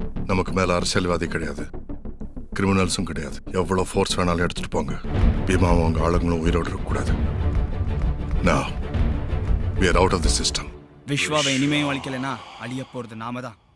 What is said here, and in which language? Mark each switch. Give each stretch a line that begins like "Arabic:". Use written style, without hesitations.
Tamil: நமக்கு மேல அரசியல்வாதி கிடையாது, கிரிமினல்ஸும் கிடையாது. எவ்வளவு ஃபோர்ஸ் வேணாலும் எடுத்துட்டு போங்க, பீமாவும் அவங்க ஆளுங்களும் உயிரோடு இருக்கக்கூடாது.
English: Now, we are out of the system.
Tamil: விஸ்வாவை இனிமேயும் அழிக்கலனா அழிய போறது நாம தான்.